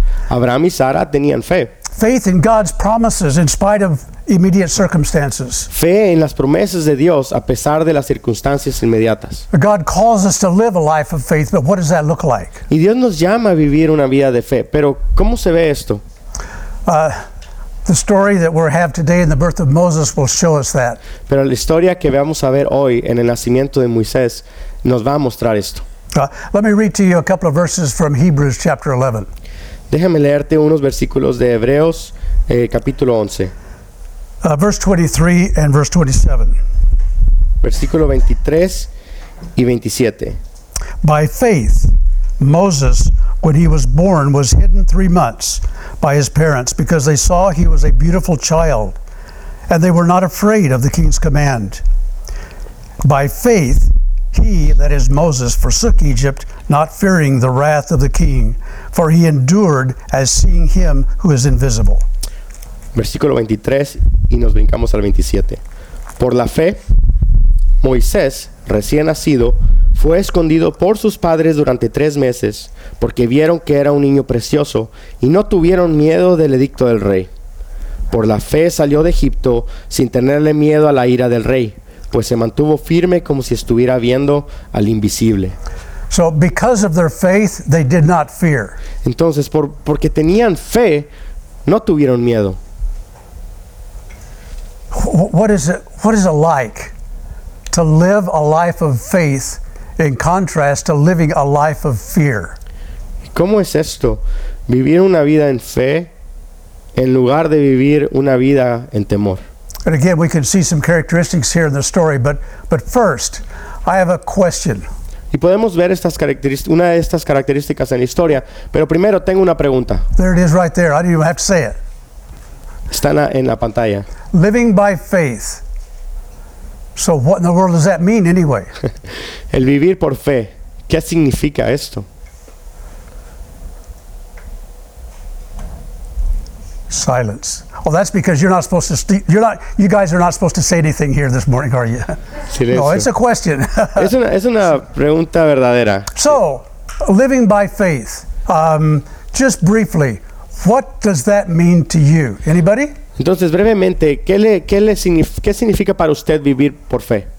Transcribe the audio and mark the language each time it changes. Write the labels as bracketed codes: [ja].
[es] Abraham y Sara tenían fe. [en] Faith in God's promises in spite of immediate circumstances. [es] Fe en las promesas de Dios a pesar de las circunstancias inmediatas. [en] God calls us to live a life of faith, but what does that look like? [es] Y Dios nos llama a vivir una vida de fe, pero ¿cómo se ve esto? [en] The story that we'll have today in the birth of Moses will show us that. [es] Pero la historia que vamos a ver hoy en el nacimiento de Moisés nos va a mostrar esto. [en] Let me read to you a couple of verses from Hebrews chapter 11. [es] Déjame leerte unos versículos de Hebreos, capítulo 11. [en] Verse 23 and verse 27. [es] Versículo 23 y 27. [en] By faith, Moses, when he was born, was hidden 3 months by his parents because they saw he was a beautiful child, and they were not afraid of the king's command. By faith, he, that is Moses, forsook Egypt, not fearing the wrath of the king, for he endured as seeing him who is invisible. [es] Versículo 23, y nos brincamos al 27. Por la fe, Moisés, recién nacido, fue escondido por sus padres durante 3 meses, porque vieron que era un niño precioso, y no tuvieron miedo del edicto del rey. Por la fe salió de Egipto, sin tenerle miedo a la ira del rey, pues se mantuvo firme como si estuviera viendo al invisible. [en] So because of their faith, they did not fear. [es] Entonces, porque tenían fe, no tuvieron miedo. [en] What is it like to live a life of faith in contrast to living a life of fear? [es] ¿Cómo es esto? Vivir una vida en fe en lugar de vivir una vida en temor. [en] And again, we can see some characteristics here in the story, but first, I have a question. [es] Y podemos ver estas características, una de estas características en la historia, pero primero tengo una pregunta. [en] There it is right there. I didn't even have to say it. [es] Está en la pantalla. [en] Living by faith. So what in the world does that mean anyway? [es] El vivir por fe. ¿Qué significa esto? [en] Silence. Oh, that's because you're not supposed to. You guys are not supposed to say anything here this morning, are you? [es] Silencio. [en] No, it's a question. [es] es una pregunta verdadera. [en] So, living by faith. Just briefly, what does that mean to you? Anybody? [es] Entonces, brevemente, qué significa para usted vivir por fe?